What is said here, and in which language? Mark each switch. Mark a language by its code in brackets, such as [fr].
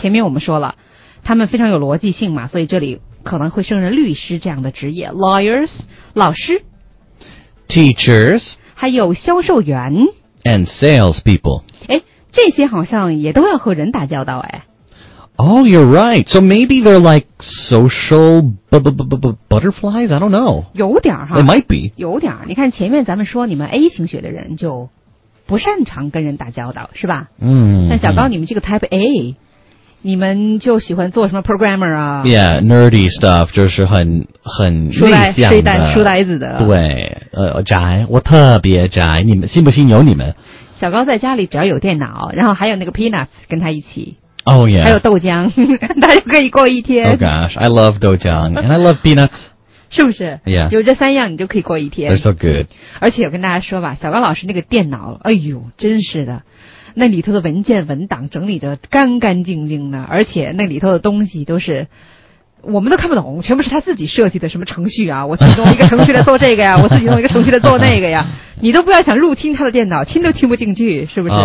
[zh] 前面我们说了，他们非常有逻辑性嘛，所以这里可能会胜任律师这样的职业。 [en] Lawyers, [zh] 老师。 [en] Teachers. [zh] 还有销售员。 [en] And salespeople. [zh] 哎，这些好像也都要和人打交道哎。 [en] Oh, you're right. So maybe they're like social butterflies? I don't know. [zh] 有点哈。 [en] They might be. [zh] 有点。你看前面咱们说你们 A 型血的人就不擅长跟人打交道是吧嗯。但小高你们这个 type A, 你们就喜欢做什么 programmer 啊 [en] ？Yeah, nerdy stuff [zh] 就是很内向的书呆子的。对，宅，我特别宅。你们信不信由你们？小高在家里只要有电脑，然后还有那个 peanuts 跟他一起。 [en] Oh yeah. [zh] 还有豆浆，他就可以过一天。 [en] Oh gosh, I love 豆浆 and I love peanuts. [zh] 是不是 [en] ？Yeah. [zh] 有这三样，你就可以过一天。 [en] They're so good. [zh] 而且我跟大家说吧，小高老师那个电脑，哎呦，真是的。那里头的文件文档整理得干干净净的，而且那里头的东西都是我们都看不懂，全部是他自己设计的，什么程序啊，我自己弄一个程序来做这个呀，我自己弄一个程序来做那个呀，你都不要想入侵他的电脑，听都听不进去，是不是